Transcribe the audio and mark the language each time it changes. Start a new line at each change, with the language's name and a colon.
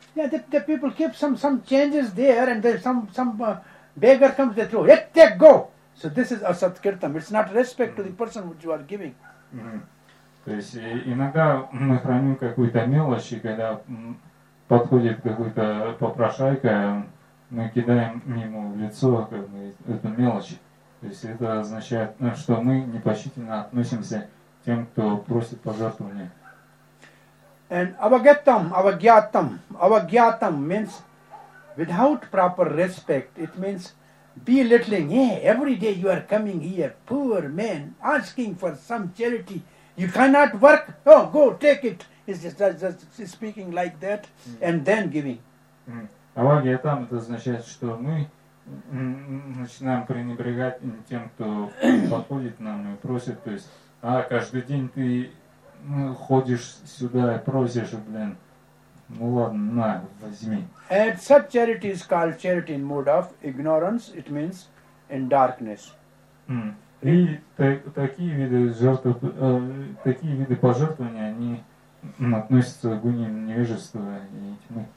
English: Yeah, the people keep some changes there, and there's some beggar comes, they throw, let that go. So this is asatkirtam. It's not respect to the person which you are giving.
Russian: То есть иногда мы храним какую-то мелочь, и когда подходит какой-то попрошайка, мы кидаем ему в лицо эту мелочь. То есть это означает, что мы непочтительно относимся к тем, кто просит пожертвования.
English: And avagatam, avagyatam, avagyatam means without proper respect. It means belittling. Yeah, every day you are coming here, poor man, asking for some charity. You cannot work. Oh, go take it. He's just speaking like that, and then giving.
Russian: Авагьятам, это означает, что мы начинаем пренебрегать тем, кто подходит нам и просит. То есть, а каждый день ты ходишь сюда и просишь, блин. Ну ладно, на, возьми.
English: And such charity is called charity in mode of ignorance. It means in darkness.
Russian: И такие виды жертв, такие виды пожертвования, они относятся к гуне невежества и тьмы.